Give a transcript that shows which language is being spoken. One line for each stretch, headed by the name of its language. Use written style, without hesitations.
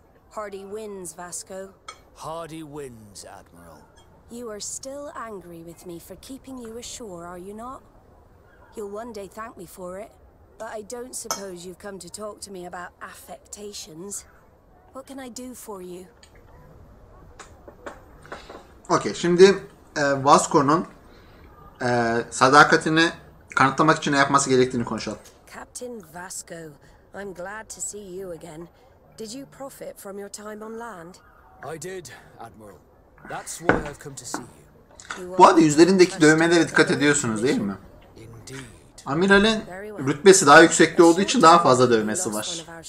English: Hardy winds, Vasco. Hardy winds, Admiral. You are still angry with me for keeping you ashore, are you not? You'll one day thank me for it, but I don't suppose you've come to talk to me about affectations. What can I do for you?
Turkish: Okay, şimdi Vasco'nun sadakatini kanıtlamak için ne yapması gerektiğini konuşalım.
English: Captain Vasco, I'm glad to see you again. Did you profit from your time on land? I did, Admiral. That's why I've come to see you.
Turkish: Bu arada yüzlerindeki dövmelere dikkat ediyorsunuz, değil mi? Amiral'in rütbesi daha yüksekte olduğu için daha fazla dövmesi var.